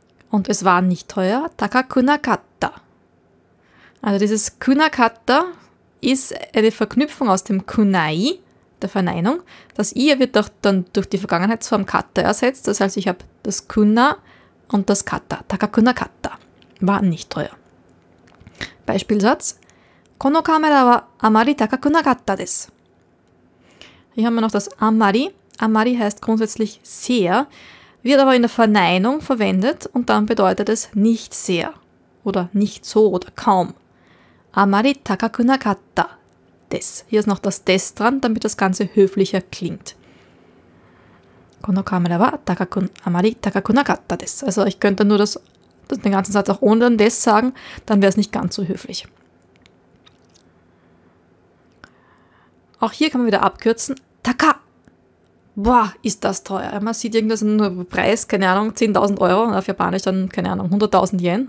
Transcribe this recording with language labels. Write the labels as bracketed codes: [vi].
[de] Und es war nicht teuer, takakunakatta. Also dieses kunakatta ist eine Verknüpfung aus dem kunai, der Verneinung. Das I wird auch dann durch die Vergangenheitsform katta ersetzt. Das heißt, ich habe das kuna und das katta, takakunakatta. War nicht teuer. Beispielsatz. [ja] このカメラはあまり高くなかったです。 [de] Hier haben wir noch das amari. Amari heißt grundsätzlich sehr, wird aber in der Verneinung verwendet und dann bedeutet es nicht sehr oder nicht so oder kaum. [ja] Amari takaku nakatta des. [de] Hier ist noch das des dran, damit das Ganze höflicher klingt. [ja] このカメラは高く、あまり高くなかったです。 [de] Also ich könnte nur den ganzen Satz auch ohne des sagen, dann wäre es nicht ganz so höflich. Auch hier kann man wieder abkürzen. Taka. Boah, ist das teuer. Man sieht irgendwas im Preis, keine Ahnung, 10.000 Euro. Auf Japanisch dann, keine Ahnung, 100.000 Yen.